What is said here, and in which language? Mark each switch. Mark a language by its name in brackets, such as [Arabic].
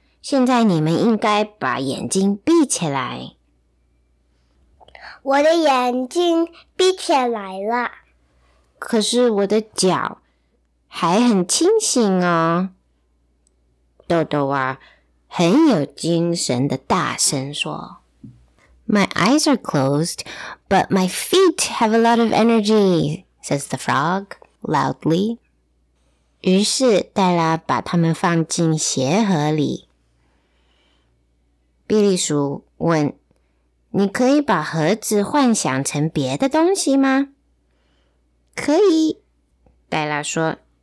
[Chinese] 现在你们应该把眼睛闭起来。我的眼睛闭起来了。可是我的脚还很清醒哦。豆豆啊，很有精神的大声说。 [English] My eyes are closed, but my feet have a lot of energy, says the frog, loudly. [Chinese] 于是黛拉把它们放进鞋盒里。比利鼠问，你可以把盒子幻想成别的东西吗？可以，黛拉说。